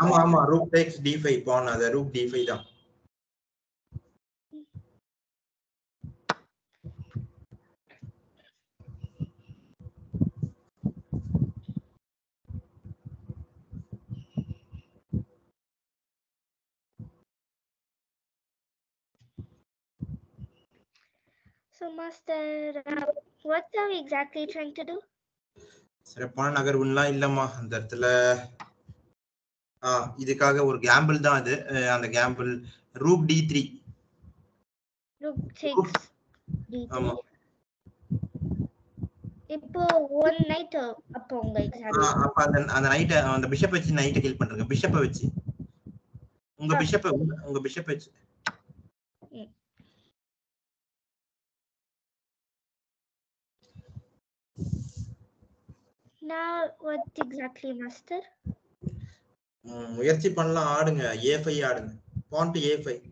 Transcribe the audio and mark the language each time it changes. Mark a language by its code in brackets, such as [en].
[ta] ஆமா ஆமா rook tax d5 பான் அத ரூக் d5 தான் [en] So master What are we exactly trying to do? [ta] சிறப்பான நகர்வுலாம் இல்லம்மா அந்த இடத்துல இதுக்காக ஒரு கேம்பிள் தான் அது அந்த Gamble Roop D three Roop six ஆமா இப்போ ஒன் நைட் அப்போ உங்க அப்ப அந்த நைட் அந்த பிஷப் வச்சு நைட் கில் பண்றீங்க பிஷப் வச்சு உங்க பிஷப் உங்க பிஷப் வச்சு [en] Now what exactly master? [ta] முயற்சி பண்ணலாம் ஆடுங்க a5 ஆடுங்க [en] pawn to a5